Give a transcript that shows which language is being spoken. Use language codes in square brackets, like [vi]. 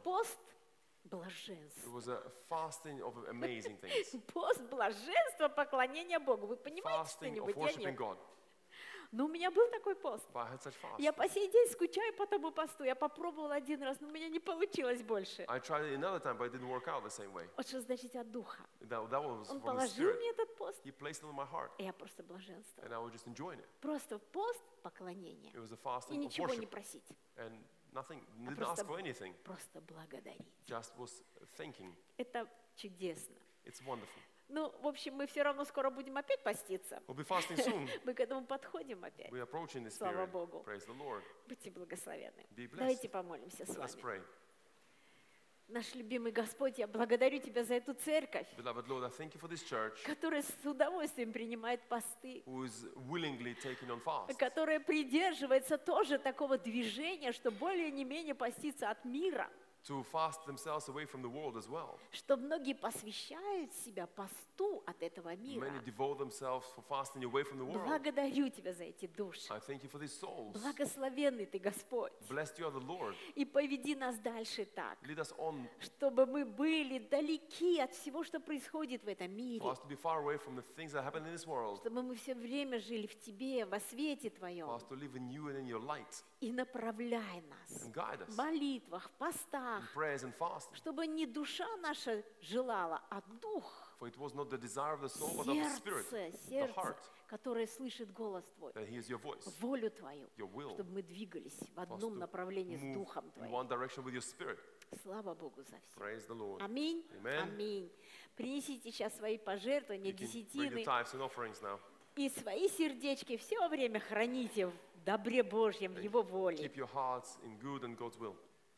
[ru] Пост блаженства. [en] It was a fasting of amazing things. [ru] Пост блаженства, поклонения Богу. Вы понимаете что-нибудь? [en] Fasting of worshiping God. [ru] Но у меня был такой пост. [en] But I had such fast. [ru] Я по сей день скучаю по тому посту. Я попробовала один раз, но у меня не получилось больше. [en] I tried it another time, but it didn't work out the same way. [ru] Вот что значит от Духа. [en] That was [ru] он [en] from [ru] положил [en] the [ru] мне этот пост. [en] He placed it on my heart. [ru] И я просто блаженство. [en] And I was just enjoying it. [ru] Просто пост поклонения. [en] It was a fast [ru] и ничего не просить. [en] And nothing, didn't ask for anything. [ru] Просто благодарить. [en] Just was thinking. [ru] Это чудесно. [en] It's wonderful. [ru] Ну, в общем, мы все равно скоро будем опять поститься. [en] We'll be fasting soon. [ru] Мы к этому подходим опять. [en] We're approaching this [ru] Слава [en] period. [ru] Богу. [en] Praise the Lord. [ru] Будьте благословенны. [en] Be blessed. [ru] Давайте помолимся с вами. [en] Let us pray. [ru] Наш любимый Господь, я благодарю Тебя за эту церковь, [en] Beloved Lord, I thank you for this church, [ru] которая с удовольствием принимает посты, [en] who is willingly taking on fasts, [ru] которая придерживается тоже такого движения, что более не менее поститься от мира, [en] to fast themselves away from the world as well. [ru] Что многие посвящают себя посту от этого мира. [en] Many devote themselves for fasting away from the world. [ru] Благодарю Тебя за эти души. [en] I thank you for these souls. [ru] Благословенный Ты, Господь. [en] Blessed you are the Lord. [ru] И поведи нас дальше так. [en] Lead us on. [ru] Чтобы мы были далеки от всего, что происходит в этом мире. [en] For us to be far away from the things that happen in this world. [ru] Чтобы мы все время жили в Тебе, во свете Твоем. [en] For us to live in You and in Your light. [ru] И направляй нас. [en] And guide us. [ru] В молитвах, постах. [en] In prayers and fasting. [ru] Чтобы не душа наша желала, а дух. [en] For it was not the desire of the soul, but [ru] сердце, [en] of the spirit. [ru] Сердце, [en] the heart. [ru] Которое слышит голос твой. [en] That hears your voice. [ru] Волю твою. [en] Your will. [ru] Чтобы мы двигались в одном направлении с духом твоим. [en] One direction with your spirit. [ru] Слава Богу за все. [en] Praise the Lord. [ru] Аминь. [en] Amen. [ru] Аминь. Принесите сейчас свои пожертвования, десятины. [en] Bring your tithes and offerings now. [ru] И свои сердечки все время храните в добре Божьем, в Его воле. [en] Keep your hearts in good and God's will.